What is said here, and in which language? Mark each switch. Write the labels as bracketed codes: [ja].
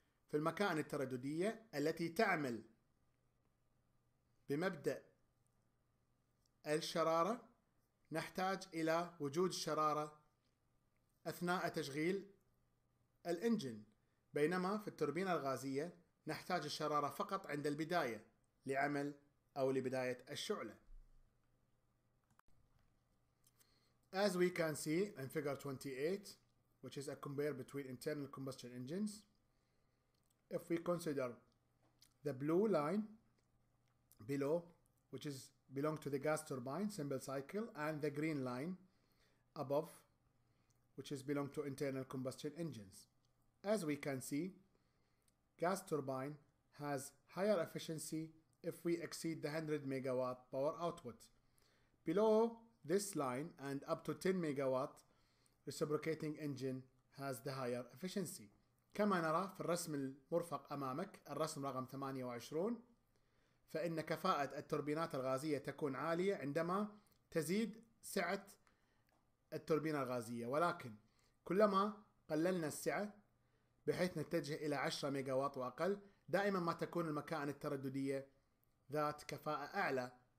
[ar] في المكائن الترددية التي تعمل بمبدأ الشرارة نحتاج إلى وجود الشرارة أثناء تشغيل الإنجن، بينما في التوربينة الغازية نحتاج الشرارة فقط عند البداية لعمل أو لبداية الشعلة. [en] As we can see in figure 28, which is a compare between internal combustion engines, if we consider the blue line below, which is belong to the gas turbine simple cycle, and the green line above, which is belong to internal combustion engines. As we can see, gas turbine has higher efficiency if we exceed the 100 megawatt power output. Below this line and up to 10 megawatt, reciprocating engine has the higher efficiency. [ar] كما نرى في الرسم المرفق أمامك، الرسم رقم 28، فإن كفاءة التوربينات الغازية تكون عالية عندما تزيد سعة التوربينة الغازية، ولكن كلما قللنا السعة بحيث نتجه إلى 10 ميجاوات وأقل، دائما ما تكون المكائن الترددية ذات كفاءة أعلى